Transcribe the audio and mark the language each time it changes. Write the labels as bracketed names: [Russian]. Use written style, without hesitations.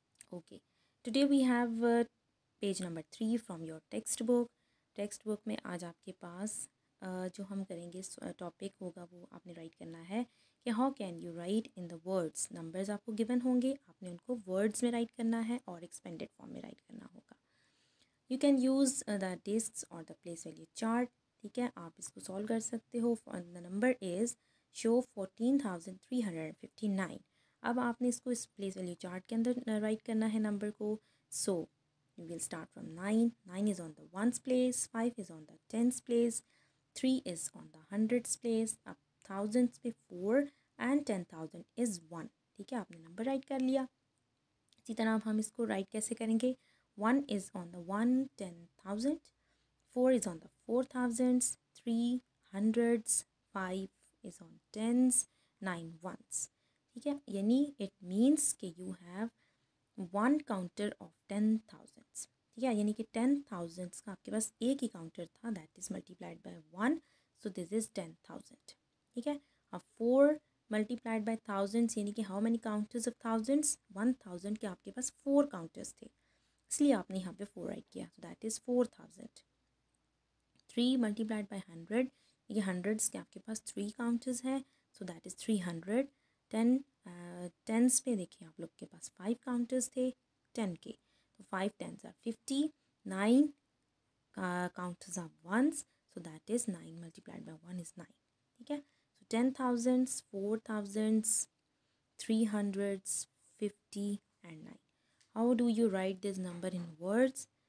[English] Okay, today we have page number 3 from your text book. [Urdu] Text book میں آج آپ کے پاس جو ہم کریں گے ٹاپک ہوگا وہ آپ نے رائٹ کرنا ہے کہ [English] How can you write in the words. [Urdu] Numbers آپ کو گیون ہوں گے, آپ نے ان کو ورڈس میں رائٹ کرنا ہے اور ایکسپینڈیڈ فارم میں رائٹ کرنا ہوگا. [English] You can use the discs اور the place value chart. [Urdu] ٹھیک ہے, آپ اس کو سالو کر سکتے ہو. [English] The number is show 14,359. [Urdu] اب آپ نے اس کو اس پلیس ویلیو چارٹ کے اندر رائٹ کرنا ہے نمبر کو. [English] so you will start from 9 is on the ones place, 5 is on the tens place, 3 is on the hundreds place, [Urdu] اب تھاؤزنڈس پہ [English] 4 and 10,000 is 1. [Urdu] ٹھیک ہے, آپ نے نمبر رائٹ کر لیا. اسی طرح اب ہم اس کو رائٹ کیسے کریں گے. [English] 1 is on the 1 10,000, 4 is on the 4,000s, 3 hundreds, 5 is on 10s, 9 ones. [Urdu] ٹھیک ہے, یعنی [English] It means کہ you have one counter of 10,000s. [Urdu] ٹھیک ہے, یعنی کہ 10,000s کا آپ کے پاس ایک ہی کاؤنٹر تھا, [English] That is multiplied by 1, so this is 10,000. [Urdu] ٹھیک ہے, اب 4 ملٹی پلائڈ بائی تھاؤزنڈس, [English] یعنی کہ how many counters of thousands, [Urdu] 1,000 کے آپ کے پاس 4 کاؤنٹرس تھے, اس لیے آپ نے یہاں پہ 4 رائٹ کیا, [English] That is 4,000. [Urdu] 3 ملٹی پلائڈ بائی 100, یہ ہنڈریڈس کے آپ کے پاس 3 کاؤنٹرز ہیں, [English] So that is 300. [Urdu] 10 ٹینس پہ دیکھیں آپ لوگ کے پاس 5 کاؤنٹرز تھے 10 کے, تو [English] 5 tens are 50, 9 counters are ones, so that is 9 [Urdu] multi پلائڈ by 1 از 9. ٹھیک ہے, سو 10,000s, 4,000s, 300s, 50 and 9. [English] How do you write this number in words?